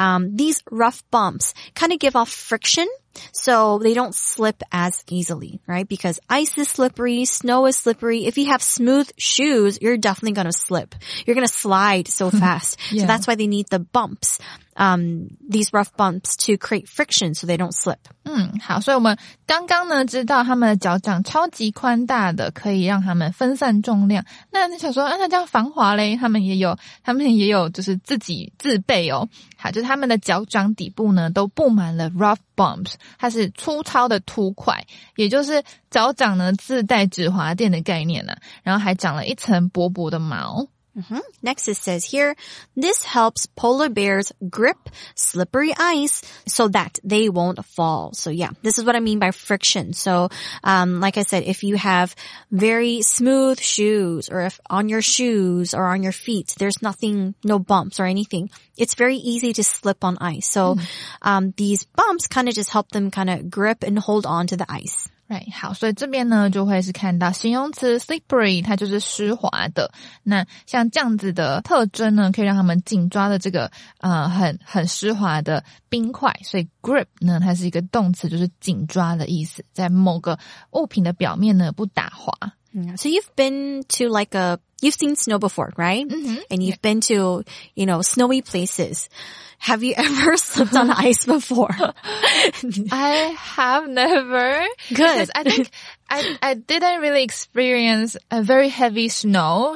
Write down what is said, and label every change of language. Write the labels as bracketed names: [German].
[English] These rough bumps kind of give off friction. So they don't slip as easily, right? Because ice is slippery, snow is slippery. If you have smooth shoes, you're definitely going to slip. You're going to slide so fast. Yeah. So that's why they need the bumps, these rough bumps to create friction so they don't slip. [Chinese] 好，所以我们刚刚呢知道他们的脚掌超级宽大的，可以让他们分散重量。那你想说，那这样防滑勒，他们也有就是自备哦。好，就是他们的脚掌底部呢都布满了 rough bumps， 它是粗糙的凸块，也就是脚掌呢自带止滑垫的概念呢、啊、然后还长了一层薄薄的毛。 Mm-hmm. [English] Next it says here, this helps polar bears grip slippery ice so that they won't fall. So yeah, this is what I mean by friction. So, like I said, if you have very smooth shoes or if on your shoes or on your feet, there's nothing, no bumps or anything, it's very easy to slip on ice. So, these bumps kind of just help them kind of grip and hold on to the ice. Right, [Chinese] 好，所以这边呢就会是看到形容词 slippery， 它就是湿滑的。那像这样子的特征呢，可以让他们紧抓的这个很湿滑的冰块。所以 grip 呢，它是一个动词，就是紧抓的意思，在某个物品的表面呢不打滑。 [English] So you've been to like a you've seen snow before, right? Mm-hmm. And you've been to, you know, snowy places. Have you ever slipped on ice before? I have never. Good. Because I think I didn't really experience a very heavy snow.